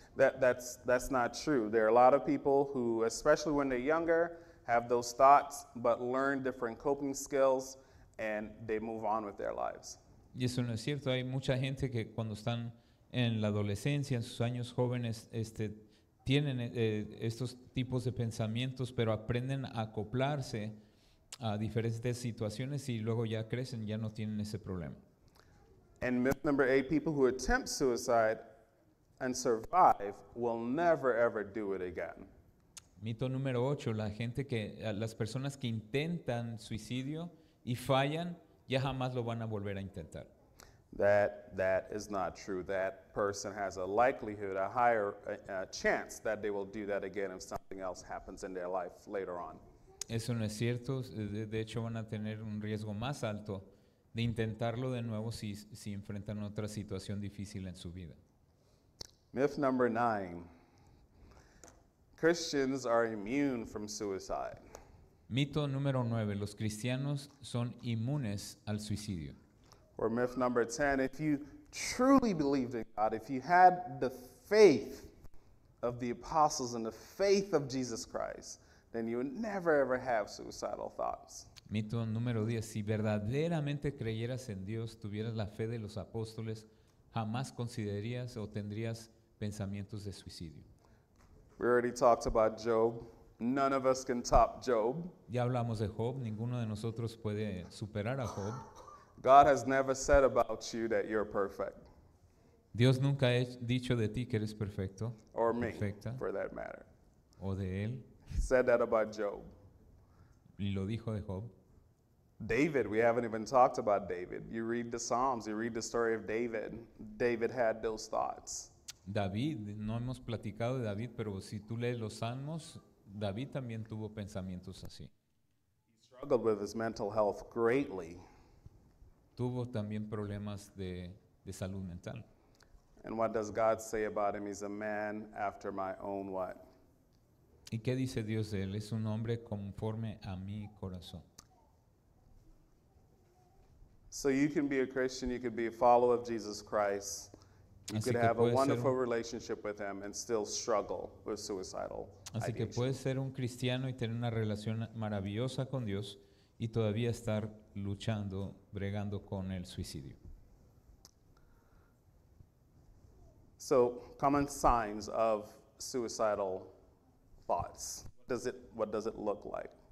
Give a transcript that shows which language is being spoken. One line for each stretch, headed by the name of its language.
English: That's not true. There are a lot of people who, especially when they're younger, have those thoughts, but learn different coping skills, and they move on with their lives.
Spanish: Y eso no es cierto. Hay mucha gente que cuando están en la adolescencia, en sus años jóvenes, tienen estos tipos de pensamientos, pero aprenden a acoplarse a diferentes situaciones y luego ya crecen, ya no tienen ese problema.
English: And myth number eight, people who attempt suicide and survive will never ever do it again.
Spanish: Mito número ocho, las personas que intentan suicidio y fallan, ya jamás lo van a volver a intentar.
English: That is not true. That person has a likelihood, a higher chance that they will do that again if something else happens in their life later on.
Spanish: Eso no es cierto. De hecho, van a tener un riesgo más alto de intentarlo de nuevo si enfrentan otra situación difícil en su vida.
English: Myth number nine. Christians are immune from suicide.
Spanish: Mito número nueve, los cristianos son inmunes al suicidio.
English: Or myth number 10, if you truly believed in God, if you had the faith of the apostles and the faith of Jesus Christ, then you would never ever have suicidal thoughts.
Spanish: Mito número 10, si verdaderamente creyeras en Dios, tuvieras la fe de los apóstoles, jamás considerarías o tendrías pensamientos de suicidio.
English: We already talked about Job. None of us can top Job.
Spanish: Ya hablamos de Job. Ninguno de nosotros puede superar a Job.
English: God has never said about you that you're perfect.
Spanish: Dios nunca ha dicho de ti que eres perfecto.
English: Or me, perfecta, for that matter.
Spanish: O de él.
English: He said that about Job.
Spanish: Y lo dijo de Job.
English: David, we haven't even talked about David. You read the Psalms, you read the story of David. David had those thoughts.
Spanish: David, no hemos platicado de David, pero si tú lees los Salmos, David también tuvo pensamientos así.
English: He struggled with his mental health greatly.
Spanish: Tuvo también problemas de salud mental.
English: And what does God say about him? He's a man after my own what?
Spanish: ¿Y qué dice Dios de él? Es un hombre conforme a mi corazón.
English: So you can be a Christian, you can be a follower of Jesus Christ. You
Spanish: así
English: could have a wonderful relationship with him and still struggle with suicidal ideation.
Spanish: Así que puedes ser un cristiano y tener una relación maravillosa con Dios y todavía estar luchando, bregando con el suicidio.
English: So, common signs of suicidal thoughts. What does it look like?